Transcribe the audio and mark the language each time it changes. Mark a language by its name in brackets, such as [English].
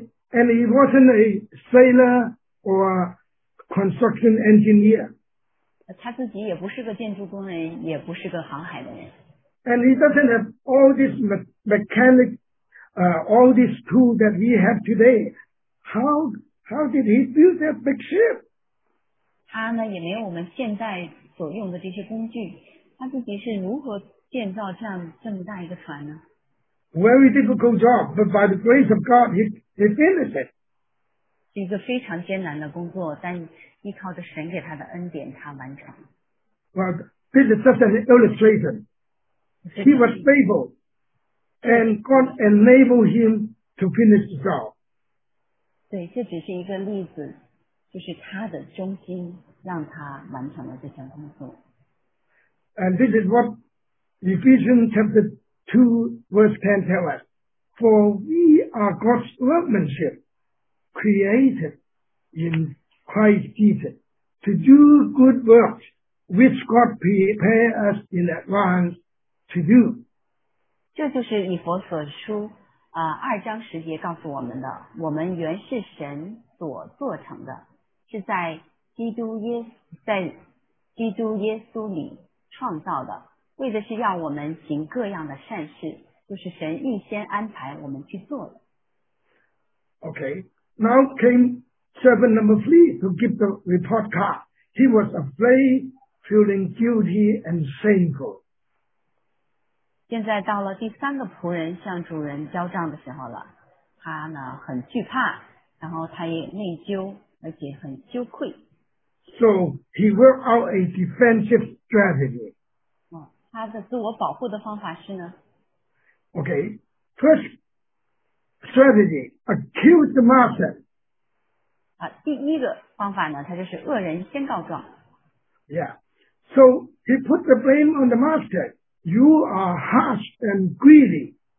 [English] And he wasn't a sailor or a construction engineer. [Chinese] 他自己也不是个建筑工人，也不是个航海的人。 [English] And he doesn't have all this mechanic, all this tool that we have today. How did he build that big ship? [Chinese] 他呢也没有我们现在所用的这些工具，他自己是如何建造这么大一个船呢？ [English] Very difficult job, but by the grace of God, he finished it. [Chinese] 是一个非常艰难的工作，但依靠着神给他的恩典，他完成。 [English] Well, this is just an illustration. He was faithful, and God enabled him to finish the job. [Chinese] 对，这只是一个例子，就是他的忠心让他完成了这项工作。 [English] And this is what Ephesians chapter 2 verse 10 tell us. For we are God's workmanship, created in Christ Jesus, to do good works, which God prepared us in advance to do. [Chinese] 这就是以弗所书二章十节告诉我们的，我们原是神所做成的，是在基督耶稣里创造的，为的是让我们行各样的善事，就是神预先安排我们去做的。 [English] Okay, now came servant number three to give the report card. He was afraid, feeling guilty and shameful. [Chinese] 现在到了第三个仆人向主人交账的时候了，他呢很惧怕，然后他也内疚，而且很羞愧。 [English] So he worked out a defensive strategy. [Chinese] 他的自我保护的方法是呢 [English] ？Okay, first strategy, accuse the master. [Chinese] 第一个方法呢，他就是恶人先告状。 [English] Yeah, so he put the blame on the master. You are harsh and greedy.